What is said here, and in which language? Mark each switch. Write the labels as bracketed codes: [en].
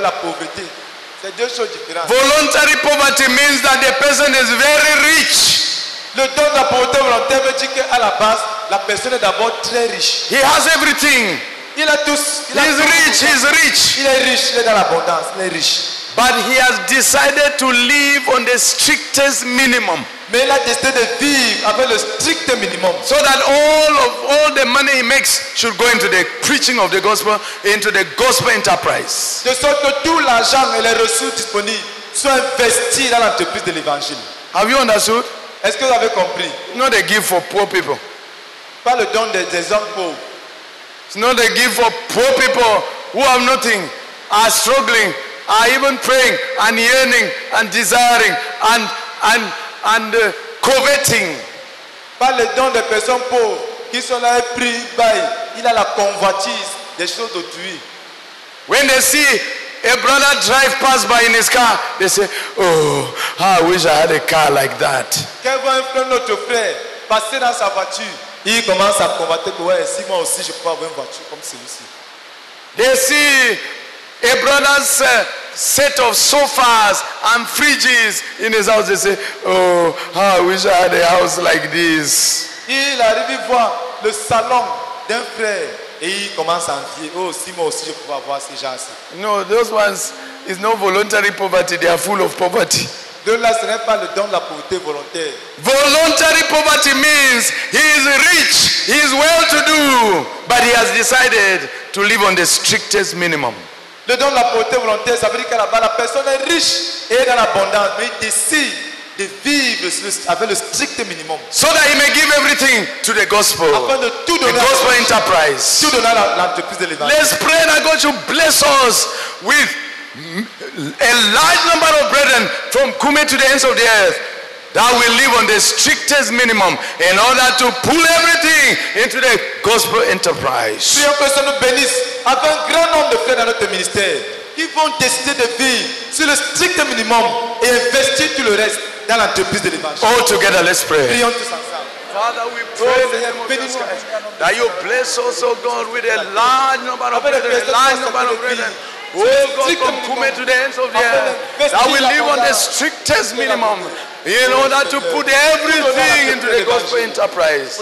[en] Voluntary poverty means that the person is very rich. [fr] Le don de la pauvreté volontaire veut dire qu'à la base, la personne est d'abord très riche. [en] He has everything. [fr] Il a tous. [en] He's rich. [fr] Il est riche. Il est dans l'abondance. Il est riche. [en] But he has decided to live on the strictest minimum. [fr] Mais il a décidé de vivre avec le strict minimum. [en] So that all the money he makes should go into the preaching of the gospel, into the gospel enterprise. [fr] De sorte que tout l'argent et les ressources disponibles soient investis dans l'entreprise de l'évangile. [en] Have you understood? [fr] Est-ce que vous avez compris? [en] Not a gift for poor people. [fr] Pas le don des hommes pauvres. [en] It's not a gift for poor people who have nothing, are struggling, are even praying and yearning and desiring and coveting. [fr] Pas le don des personnes pauvres qui sont là et prient, baillent. Il a la convoitise des choses d'autrui. [en] When they see a brother drive pass by in his car, they say, oh, I wish I had a car like that. [fr] Quand voit un frère, notre frère, passer dans sa voiture, il commence à convoiter que ouais, si moi aussi je peux avoir une voiture comme celui-ci. [en] They see a brother's set of sofas and fridges in his house. They say, oh, I wish I had a house like this. [fr] Il arrive à voir le salon d'un frère et il commence à envier. Oh, si moi aussi je pouvais avoir ces gens-ci. [en] No, those ones is no voluntary poverty. They are full of poverty. [fr] De là, ce n'est pas le don de la pauvreté volontaire. [en] Voluntary poverty means he is rich, he is well-to-do, but he has decided to live on the strictest minimum. [fr] Le don de la pauvreté volontaire, ça veut dire qu'à la base, la personne est riche et est dans l'abondance, mais il décide de vivre avec le strict minimum. [en] So that he may give everything to the gospel. [fr] Afin de tout donner. [en] The gospel enterprise. [fr] Tout donner à l'entreprise de l'évangile. [en] Let's pray that God should bless us with a large number of brethren from Kume to the ends of the earth that will live on the strictest minimum in order to pull everything into the gospel enterprise. [fr] Prions que Dieu nous bénisse avec un grand nombre de frères dans notre ministère qui vont décider de vivre sur le strict minimum et investir tout le reste dans l'entreprise de l'évangile. [en] All together, let's pray. [fr] Prions tous ensemble. [en] Father, we pray in the name of Jesus Christ that you bless us, O God, with a large number of brethren, a large number of brethren. Oh God, come Kume to the ends of the earth. That we live on the strictest minimum in order to put everything into the gospel enterprise.